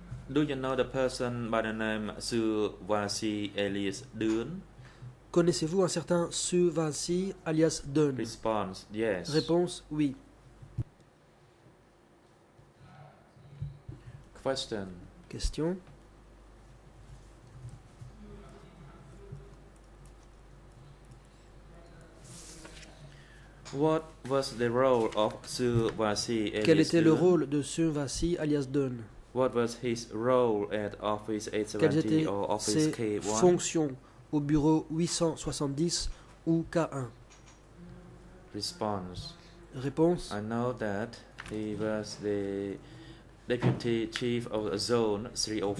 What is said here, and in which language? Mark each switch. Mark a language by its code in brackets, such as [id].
[en] Do you know the person by the name Su Wasi alias Dun? [fr] Connaissez-vous un certain Su Wasi alias Dun? [en] Response: Yes. [fr] Réponse: Oui. [en] Question. [fr] Question. [en] What was the role of Su Wasi alias Dun? [fr] Quel était le rôle de Su Wasi alias Dun? [en] What was his role at office 870 or office K1? [fr] Quelles étaient ses fonctions au bureau 870 ou K1? [en] Response. [fr] Réponse. [en] I know that he was the deputy chief of zone 304.